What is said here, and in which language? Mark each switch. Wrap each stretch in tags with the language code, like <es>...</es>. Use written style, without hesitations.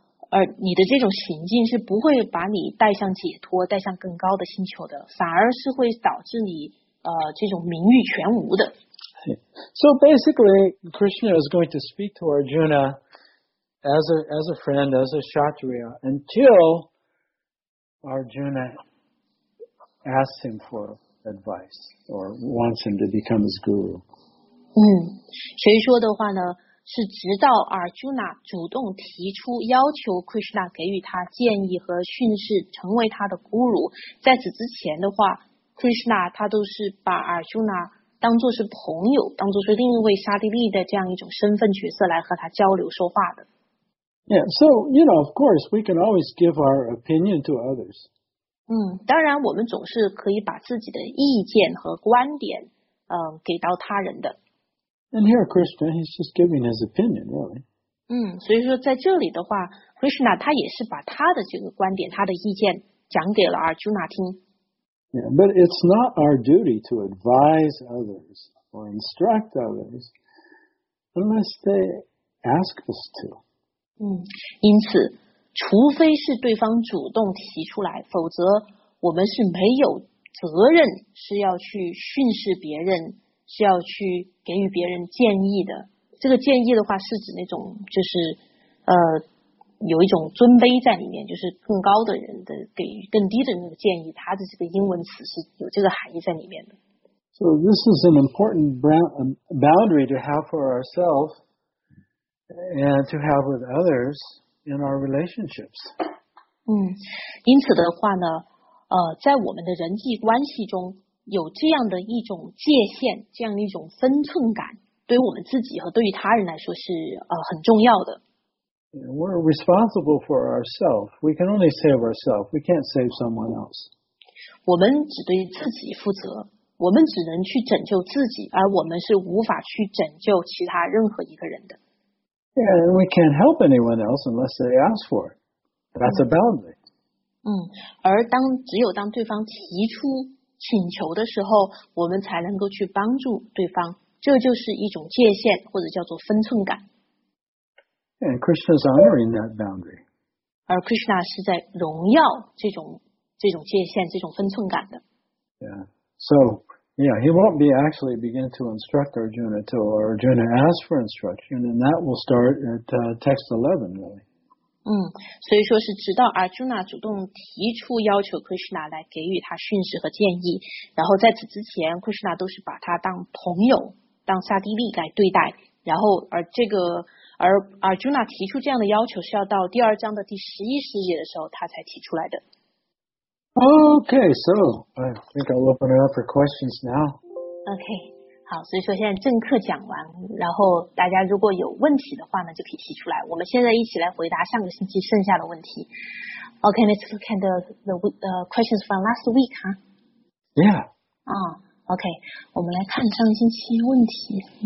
<zh>而你的这种行径是不会把你带向解脱，带向更高的星球的，反而是会导致你这种名誉全无的。</zh> <en>So basically, Krishna is going to speak to Arjuna as a friend, as a kshatriya, until Arjuna asks him for advice or wants him to become his guru.</en> <zh>所以说的话呢，是直到 Arjuna 主动提出要求 Krishna 给予他建议和训示，成为他的 guru。在此之前的话， Krishna 他都是把 Arjuna当作是朋友，当作是另一位沙帝利的这样一种身份角色来和他交流说话的。</zh> <en>Yeah, so, you know, of course, we can always give our opinion to others.</en> <zh>当然我们总是可以把自己的意见和观点给到他人的。</zh> <en>And here, Krishna, he's just giving his opinion, really.</en> <zh>所以说在这里的话， Krishna 他也是把他的这个观点，他的意见讲给了 Arjuna 听。</zh> <en>Yeah, but it's not our duty to advise others or instruct others unless they ask us to.</en> <zh>因此除非是对方主动提出来，否则我们是没有责任是要去训示别人，是要去给予别人建议的。这个建议的话是指那种就是有一种尊卑在里面，就是更高的人的给予更低的人的建议，他的这个英文词是有这个含义在里面的。</zh> <en>So this is an important boundary to have for ourselves and to have with others in our relationships.</en> <zh>因此的话呢，在我们的人际关系中有这样的一种界限，这样一种分寸感，对于我们自己和对于他人来说是很重要的。</zh> <en>We're responsible for ourselves. We can only save ourselves. We can't save someone else.</en> <zh>我们只对自己负责，我们只能去拯救自己，而我们是无法去拯救其他任何一个人的。</zh> <en>And we can't help anyone else unless they ask for it. That's a boundary.</en> <zh>而只有当对方提出请求的时候，我们才能够去帮助对方。这就是一种界限，或者叫做分寸感。</zh> <en>And Krishna is honoring that boundary.</en> <zh>而 Krishna 是在荣耀这种界限，这种分寸感的。</zh> <en>Yeah, he won't be actually begin to instruct Arjuna till Arjuna asks for instruction, and that will start at text 11, really.</en> <zh>所以说是直到 Arjuna 主动提出要求 Krishna 来给予他训示和建议，然后在此之前 Krishna 都是把他当朋友，当沙帝利来对待，然后而 Arjuna 提出这样的要求是要到第二章的第十一十节的时候他才提出来的。</zh> <en>Okay, so I think I'll open it up for questions now.</en> <zh>Okay, 好，所以说现在正课讲完，然后大家如果有问题的话呢，就可以提出来。我们现在一起来回答上个星期剩下的问题。</zh> <en>Okay, let's look at the questions from last week, huh? Yeah.</en> <zh>Okay, 我们来看上个星期问题。</zh>